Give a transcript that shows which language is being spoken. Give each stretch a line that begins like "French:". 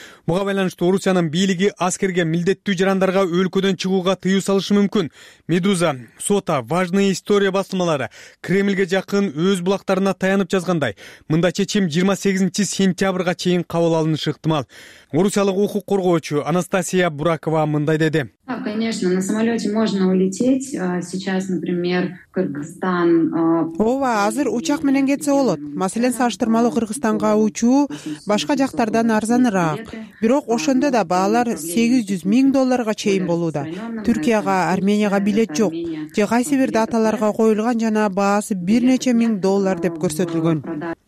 Kyrgyz: Буга байланыштуу Орусиянын бийлиги аскерге милдеттүү жарандарга өлкөдөн чыгууга тыюу салышы мүмкүн. Медуза, Сота, Важная история басылмалары Кремльге жакын өз булактарына таянып жазгандай, мындай чечим 28-сентябрга чейин кабыл алынышы ыктымал. Орусиялык укук коргоочу Анастасия Буракова мындай деди.
Russian: А, конечно, на самолете можно улететь. Сейчас, например, Кыргызстан.
Kyrgyz: Ооба, азыр учак менен кетсе болот. Маселен, салыштырмалуу Кыргызстанга учуу башка жактардан арзаныраак. Бирок ошондо да баалар 800,000 долларга чейин болууда. Түркияга, Арменияга билет жок. Же кайсы бир даталарга коюлган жана баасы бир нече миң доллар деп көрсөтүлгөн.